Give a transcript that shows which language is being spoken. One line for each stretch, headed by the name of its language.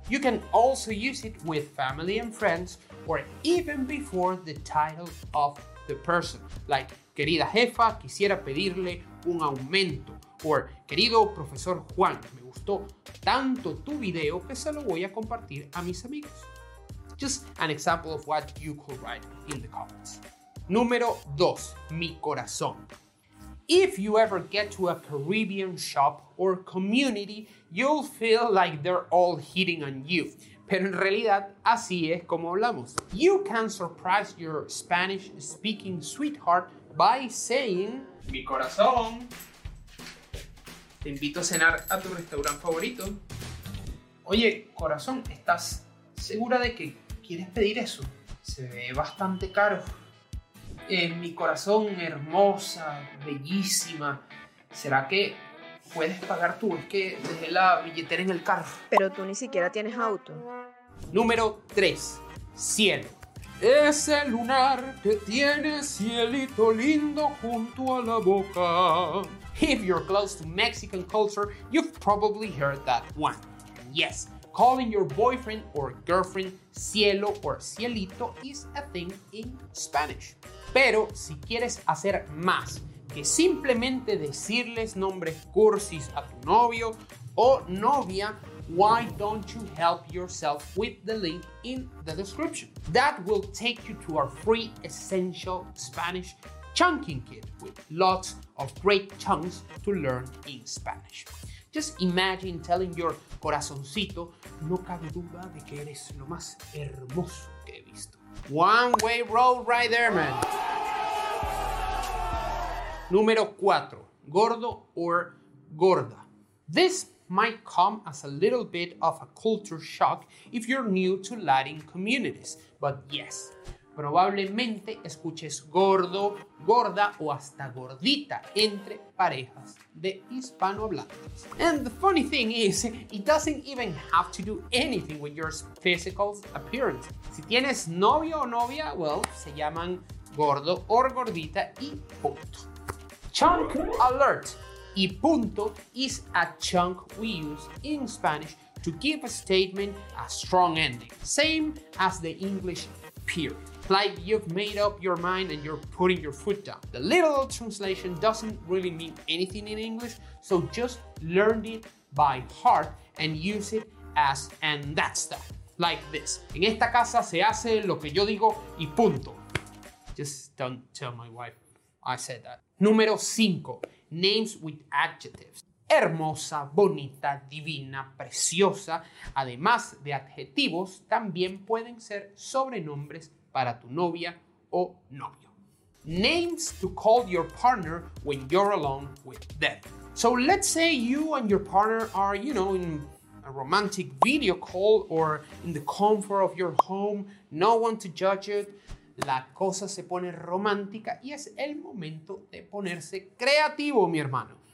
English: You can also use it with family and friends, or even before the title of the person, like
Spanish: querida jefa, quisiera pedirle un aumento,
English: or
Spanish: querido profesor Juan, me gustó tanto tu video que se lo voy a compartir a mis amigos.
English: Just an example of what you could write in the comments.
Spanish: Número 2, mi corazón.
English: If you ever get to a Caribbean shop or community, you'll feel like they're all hitting on you.
Spanish: Pero en realidad, así es como hablamos.
English: You can surprise your Spanish-speaking sweetheart by saying,
Spanish: mi corazón, te invito a cenar a tu restaurante favorito. Oye, corazón, ¿estás segura de que quieres pedir eso? Se ve bastante caro. En mi corazón, hermosa, bellísima, ¿será que puedes pagar tú? Es que dejé la billetera en el carro. Pero tú ni siquiera tienes auto. Número 3. Cielo. Ese lunar que tiene cielito lindo junto a la boca.
English: If you're close to Mexican culture, you've probably heard that one. Yes. Calling your boyfriend or girlfriend cielo or cielito is a thing in Spanish.
Spanish: Pero si quieres hacer más que simplemente decirles nombres cursis a tu novio o novia,
English: why don't you help yourself with the link in the description? That will take you to our free essential Spanish chunking kit with lots of great chunks to learn in Spanish. Just imagine telling your corazoncito,
Spanish: no cabe duda de que eres lo más hermoso que he visto.
English: One way road right there, man.
Spanish: Número 4, gordo or gorda.
English: This might come as a little bit of a culture shock if you're new to Latin communities, but yes,
Spanish: probablemente escuches gordo, gorda o hasta gordita entre parejas de hispanohablantes.
English: And the funny thing is, it doesn't even have to do anything with your physical appearance.
Spanish: Si tienes novio o novia,
English: well,
Spanish: se llaman gordo o gordita y punto.
English: Chunk alert. Y punto is a chunk we use in Spanish to give a statement a strong ending. Same as the English period. Like you've made up your mind and you're putting your foot down. The literal translation doesn't really mean anything in English, so just learn it by heart and use it as and that's that. Like this.
Spanish: En esta casa se hace lo que yo digo y punto.
English: Just don't tell my wife I said that.
Spanish: Número 5.
English: Names with adjectives.
Spanish: Hermosa, bonita, divina, preciosa. Además de adjetivos, también pueden ser sobrenombres para tu novia o novio.
English: Names to call your partner when you're alone with them. So let's say you and your partner are, you know, in a romantic video call or in the comfort of your home, no one to judge it.
Spanish: La cosa se pone romántica y es el momento de ponerse creativo, mi hermano.